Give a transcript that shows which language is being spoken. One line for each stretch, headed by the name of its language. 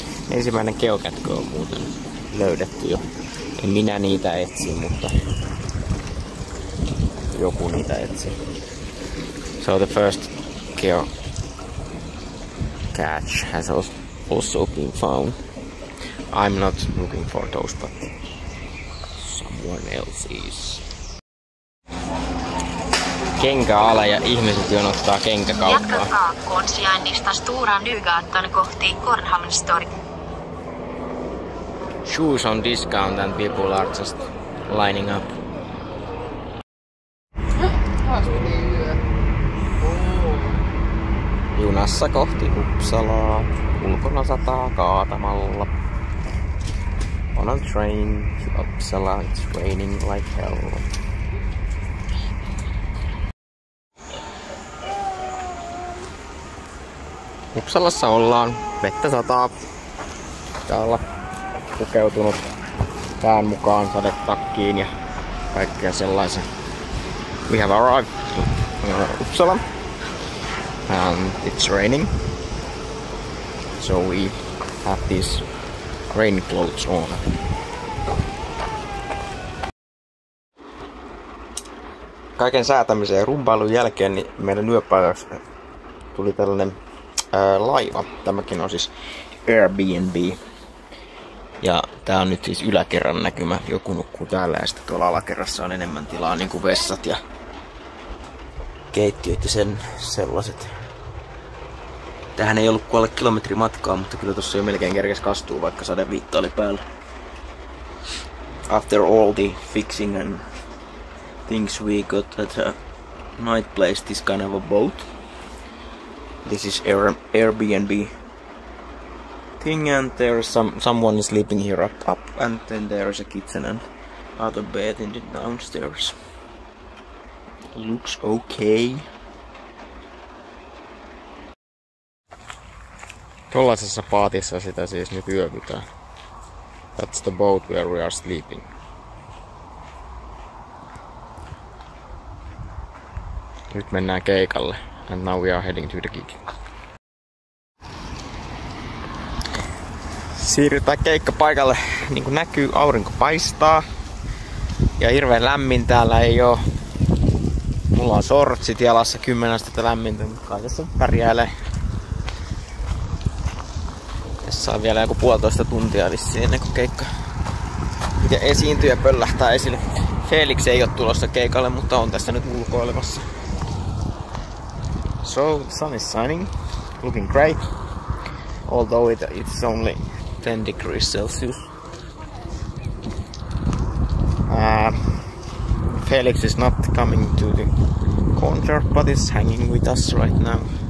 Finnish: Ensimmäinen keokätkö on muuten löydetty jo. En minä niitä etsi, mutta joku niitä etsi.
English: So the first keo catch has also been found. I'm not looking for those, but someone else is.
Finnish: Kenkäala ja ihmiset jonottaa kenkäkauppaa. Jatka kaakkoon sijainnista Stora Nygatan kohti Kornhamn Store.
English: Shoes on discount and people are just lining up.
Finnish: Junassa kohti Uppsalaa. Ulkona sataa kaatamalla.
English: On a train to Uppsala. It's raining like hell.
Finnish: Uppsalassa ollaan. Vettä sataa. Pitää olla pukeutunut pään mukaan sadetakkiin ja kaikkea sellaisen.
English: We have arrived in Uppsala. And it's raining. So we have these rain clothes on.
Finnish: Kaiken säätämisen ja rumpailun jälkeen niin meidän yöpäiväksi tuli tällainen laiva. Tämäkin on siis Airbnb. Ja tää on nyt siis yläkerran näkymä. Joku nukkuu täällä ja sitten tuolla alakerrassa on enemmän tilaa, niin kuin vessat ja keittiöt ja sen sellaiset. Tähän ei ollut kuin alle kilometri matkaa, mutta kyllä tossa jo melkein kerkes kastuu, vaikka sadeviitta oli päällä.
English: After all the fixing and things we got at a night place, this kind of a boat. This is Airbnb thing, and there is someone sleeping here up, and then there is a kitchen and other bed in the downstairs. Looks okay.
Finnish: Tollaisessa paatissa sitä siis nyt yövytään.
English: That's the boat where we are sleeping.
Finnish: Nyt mennään keikalle.
English: And now we are heading to the gig.
Finnish: Siirrytään keikkapaikalle. Niin kuin näkyy, aurinko paistaa. Ja hirveen lämmin täällä ei oo. Mulla on shortsit jalassa 10 astetta lämmintä, mutta kai tässä pärjäilee. Tässä on vielä joku 1.5 tuntia vissiin ennen kuin keikka. Miten esiintyjä pöllähtää esille. Felix ei oo tulossa keikalle, mutta on tässä nyt ulkoilemassa.
English: So, the sun is shining, looking great, although it's only 10 degrees Celsius. Felix is not coming to the concert, but is hanging with us right now.